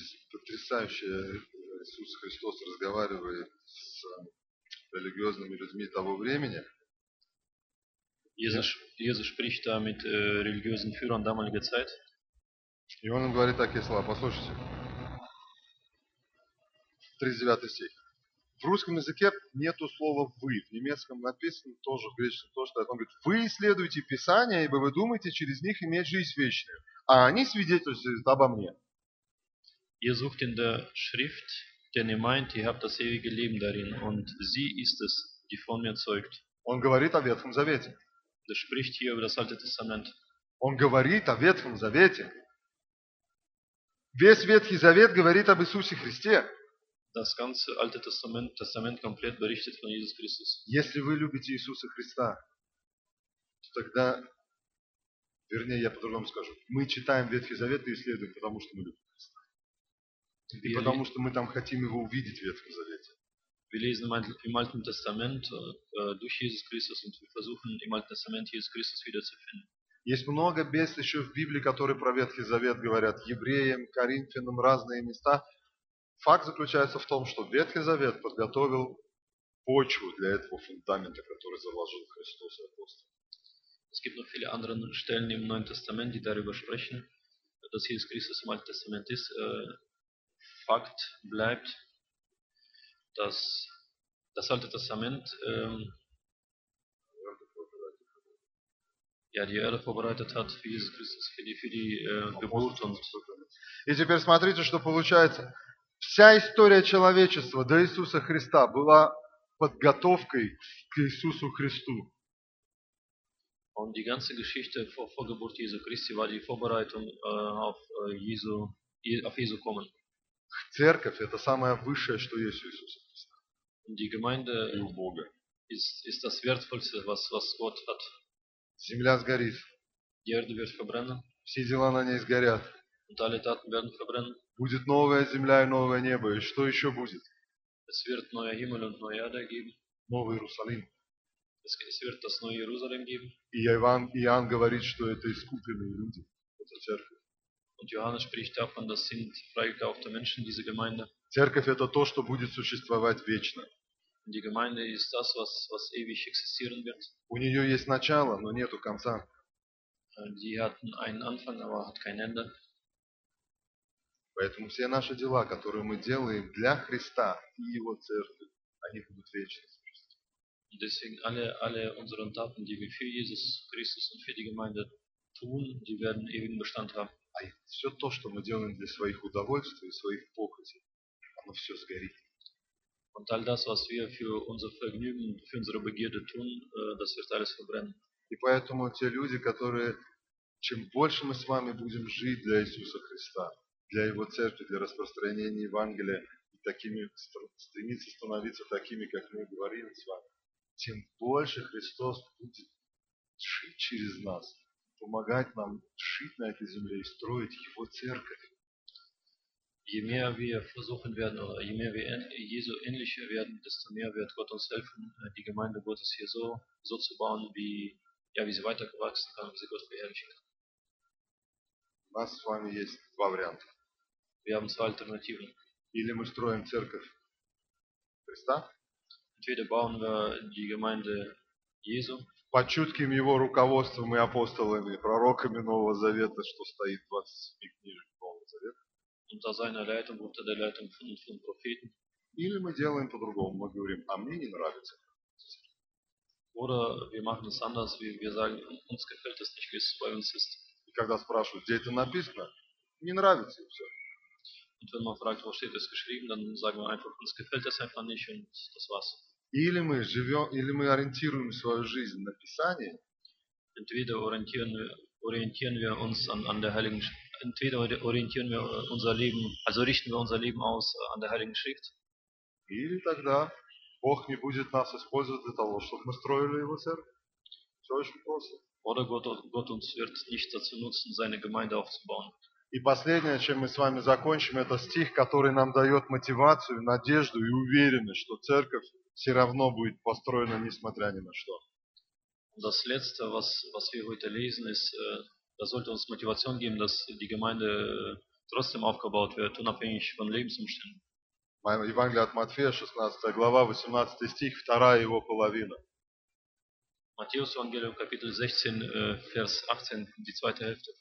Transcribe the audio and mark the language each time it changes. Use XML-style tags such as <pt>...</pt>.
<ru>Потрясающе. Иисус Христос разговаривает с религиозными людьми того времени.</ru> <de>Jesus spricht da mit religiösen Führern damaliger Zeit.</de> <ru>И он говорит такие слова. Послушайте. 39 стих. В русском языке нету слова «вы». В немецком написано тоже, в греческом тоже. Он говорит, вы исследуете Писание, ибо вы думаете через них иметь жизнь вечную. А они свидетельствуют обо мне.</ru> <de>Ihr sucht in der Schrift, denn ihr meint, ihr habt das ewige Leben darin, und sie ist es, die von mir zeugt.</de> <ru>Он говорит о Ветхом Завете.</ru> <de>Er spricht hier über das Alte Testament.</de> <ru>Он говорит о Ветхом Завете. Весь Ветхий Завет говорит об Иисусе Христе.</ru> <de>Das ganze Alte Testament komplett berichtet von Jesus Christus.</de> <ru>Если вы любите Иисуса Христа, то тогда, вернее, я по-другому скажу, мы читаем Ветхий Завет и исследуем, потому что мы любим. И потому что мы там хотим его увидеть в Ветхом Завете.</ru> <de>Wir lesen im Alten Testament durch Jesus Christus und wir versuchen im Alten Testament Jesus Christus wiederzufinden.</de> <ru>Есть много мест еще в Библии, которые про Ветхий Завет говорят, евреям, коринфянам, разные места. Факт заключается в том, что Ветхий Завет подготовил почву для этого фундамента, который заложил Христос и апостол.</ru> <de>Es gibt noch viele andere Stellen im Neuen Testament, die darüber sprechen, dass Jesus Christus im Alten Testament ist. Fakt bleibt, dass das Alte Testament die Erde vorbereitet hat für Jesus Christus, für die Geburt.</de> <ru>И теперь смотрите, что получается. Вся история человечества до Иисуса Христа была подготовкой к Иисусу Христу.</ru> <de>Und die ganze Geschichte vor Geburt Jesu Christi war die Vorbereitung auf Jesu kommen.</de> <ru>Церковь – это самое высшее, что есть у Иисуса Христа.</ru> <de>Die Gemeinde</de> <ru>и у Бога.</ru> <de>Ist das Wertvollste, was Gott hat.</de> <ru>Земля сгорит.</ru> <de>Die Erde wird verbrennen.</de> <ru>Все дела на ней сгорят.</ru> <de>Und alle Taten werden verbrennen.</de> <ru>Будет новая земля и новое небо. И что еще будет?</ru> <de>Es wird neuer Himmel und neue Erde geben.</de> <ru>Новый Иерусалим.</ru> <de>Es wird das neue Jerusalem geben.</de> <ru>И Иоанн говорит, что это искупленные люди. Это церковь.</ru> <de>Und Johannes spricht davon, das sind freigekaufte Menschen, diese Gemeinde.</de> <ru>Церковь – это то, что будет существовать вечно.</ru> <de>Die Gemeinde ist das, was ewig existieren wird.</de> <ru>У нее есть начало, но нету конца.</ru> <de>Die hatten einen Anfang, aber hat kein Ende.</de> <ru>Поэтому все наши дела, которые мы делаем для Христа и Его Церкви, они будут вечны.</ru> <de>Deswegen alle unseren Taten, die wir für Jesus Christus und für die Gemeinde tun, die werden ewigen Bestand haben.</de> <ru>А все то, что мы делаем для своих удовольствий и своих похотей, оно все сгорит.</ru> <de>Und all das, was wir für unser Vergnügen, für unsere Begierde tun, das wird alles verbrennen.</de> <ru>И поэтому те люди, которые, чем больше мы с вами будем жить для Иисуса Христа, для Его Церкви, для распространения Евангелия, и такими, стремиться становиться такими, как мы говорим с вами, тем больше Христос будет жить через нас. помогать нам жить на этой земле и строить Его церковь.</ru> <de>Je mehr wir versuchen werden, oder je mehr wir Jesu ähnlicher werden, desto mehr wird Gott uns helfen, die Gemeinde Gottes hier so zu bauen, wie sie weitergewachsen kann, wie sie Gott verherrlichen kann.</de> <ru>У нас с вами есть два варианта.</ru> <de>Wir haben zwei Alternativen.</de> <ru>Или мы строим церковь Христа.</ru> <de>Entweder bauen wir die Gemeinde Jesu.</de> <ru>Под чутким Его руководством и апостолами, и пророками Нового Завета, что стоит в 27 книжках Нового Завета.</ru> <de>Unter seiner Leitung, unter der Leitung von den Propheten.</de> <ru>Или мы делаем по-другому, мы говорим, а мне не нравится.</ru> <de>Oder wir machen es anders, wir sagen, uns gefällt es nicht, wie es bei uns ist.</de> <ru>И когда спрашивают, где это написано, не нравится и все.</ru> <de>Und wenn man fragt, wo steht es geschrieben, dann sagen wir einfach, uns gefällt es einfach nicht und das war's.</de> <ru>Или мы живем, или мы ориентируем свою жизнь на Писание.</ru> <de>Entweder orientieren wir uns an der Heiligen Schrift. Entweder orientieren wir unser Leben, also richten wir unser Leben aus an der Heiligen Schrift.</de> <ru>Или тогда Бог не будет нас использовать для того, чтобы мы строили Его церковь. Все очень просто.</ru> <de>Oder Gott uns wird nicht dazu nutzen, seine Gemeinde aufzubauen.</de> <ru>И последнее, чем мы с вами закончим, это стих, который нам дает мотивацию, надежду и уверенность, что церковь все равно будет построена, несмотря ни на что.</ru> <de>Das Letzte, was wir heute lesen, ist, das sollte uns Motivation geben, dass die Gemeinde trotzdem aufgebaut wird, unabhängig von Lebensumständen.</de> <ru>Евангелие от Матфея, 16 глава, 18 стих, вторая его половина.</ru> <de>Matthäus Evangelium, Kapitel 16, Vers 18, die zweite Hälfte.</de>